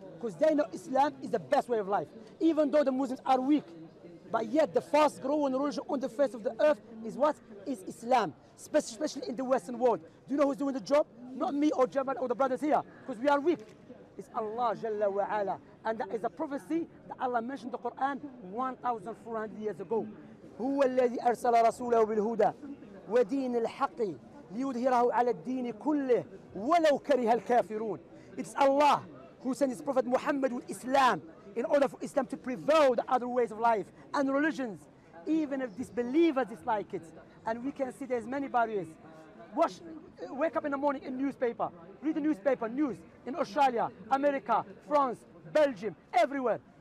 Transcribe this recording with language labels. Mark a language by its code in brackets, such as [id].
[en] Because they know Islam is the best way of life. Even though the Muslims are weak, but yet the fast growing religion on the face of the earth is what? Is Islam, especially in the Western world. Do you know who's doing the job? Not me or Jamal or the brothers here, because we are weak. It's Allah Jalla wa Ala. And that is a prophecy that Allah mentioned in the Quran 1,400 years ago. [ar] هو الذي أرسل رسوله بالهدى ودين الحق ليظهره على الدين كله ولو كره الكافرون. [en] It's Allah who sent his prophet Muhammad with Islam in order for Islam to prevail the other ways of life and religions, even if disbelievers dislike it. And we can see there's many barriers. Wake up in the morning in newspaper, read the newspaper, news in Australia, America, France, Belgium, everywhere.